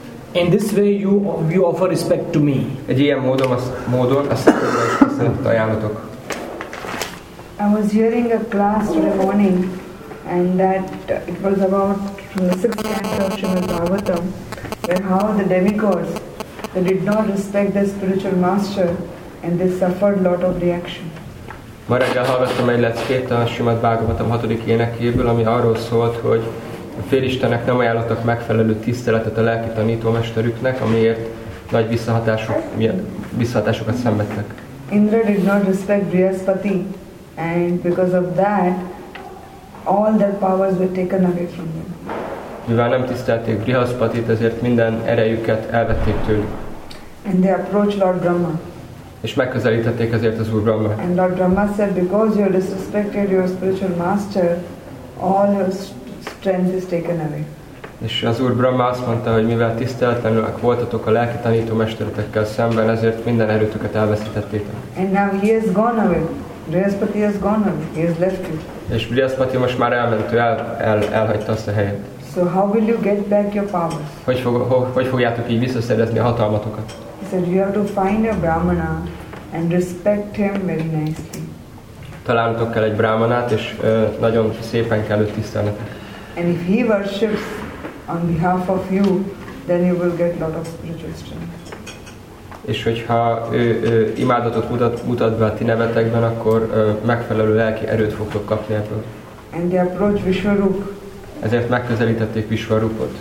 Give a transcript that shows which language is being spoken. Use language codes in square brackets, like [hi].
[en] In this way you offer respect to me. [hu] Egy ilyen módon a számukra is tiszteletet ajánlatok. [en] I was hearing a class in the morning and that it was about the sixth act of Srimad Bhagavatam where how the demigods they did not respect the spiritual master and they suffered lot of reaction. [hu] Ma reggel hallgattam egy leckét a Srimad Bhagavatam 6. énekéből, ami arról szólt, hogy a félistenek nem ajánlottak megfelelő tiszteletet a lelki tanítómesterüknek, amiért nagy visszahatásokat szenvedtek. [en] Indra did not respect Brihaspati, and because of that, all their powers were taken away from them. [hu] Mivel nem tisztelték Brihaspatit, ezért minden erejüket elvették tőlük. [en] And they approached Lord Brahma. [hu] És megközelítették ezért az Úr Brahmát. [en] And Lord Brahma said, because you disrespected your spiritual master, all your strength is taken away. [hu] És az Úr Brahma azt mondta, hogy mivel tiszteletlenülek voltatok a lelki tanító mesteretekkel szemben, ezért minden erőtöket elveszítettétek. [en] And now he has gone away. Brihaspati has gone away. He has left you. [hu] És Brihaspati most már elment, elhagyta azt a helyet. [en] So how will you get back your powers? [hu] Hogy fogjátok így visszaszerezni a hatalmatokat? [en] He said, you have to find a brahmana and respect him very nicely. [hu] Találtok kell egy brahmanát, és nagyon szépen kell őt tisztelnetek. [en] And if he worships on behalf of you, then you will get lot of spiritual strength. [hu] És hogyha ő imádatot mutat be a ti nevetekben, akkor megfelelő lelki erőt fogtok kapni ebből. [en] And they approached Vishwarup. [hu] Ezért megközelítették Vishwarupot.